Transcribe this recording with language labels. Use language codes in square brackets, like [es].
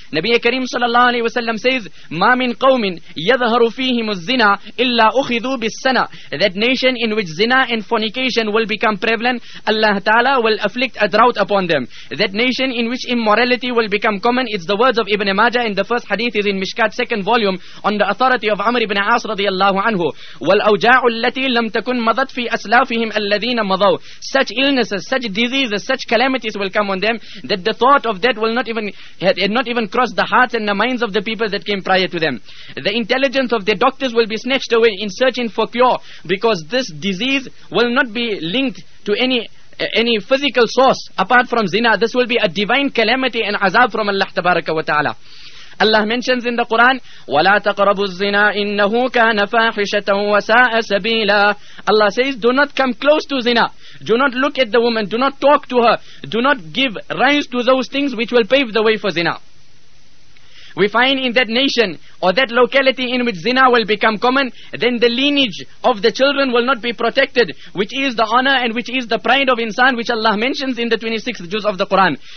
[ar] Nabi Karim sallallahu alayhi wa sallam [en] says, [ar] ma min قوم يظهر فيهم الزنا إلا أخذوا بالسنة. [en] That nation in which zina and fornication will become prevalent, Allah Ta'ala will afflict a drought upon them. That nation in which immorality will become common, it's the words of Ibn Majah, in the first hadith is in Mishkat second volume, on the authority of Amr ibn As radiallahu anhu. [ar] والأوجاع التي لم تكن مضت في أسلافهم الذين مضوا. [en] Such illnesses, such diseases, such calamities will come on them, that the thought of that will not even cross the hearts and the minds of the people that came prior to them. The intelligence of their doctors will be snatched away in searching for cure, because this disease will not be linked to any physical source apart from zina. This will be a divine calamity and azab from Allah Tabaraka wa Ta'ala. Allah mentions in the Quran, [ar] وَلَا تَقْرَبُوا الزِّنَا إِنَّهُ كَانَ فَاحِشَةً وَسَاءَ سَبِيلًا. [en] Allah says, do not come close to zina. Do not look at the woman. Do not talk to her. Do not give rise to those things which will pave the way for zina. We find in that nation or that locality in which zina will become common, then the lineage of the children will not be protected, which is the honor and which is the pride of insan, which Allah mentions in the 26th juz of the Quran.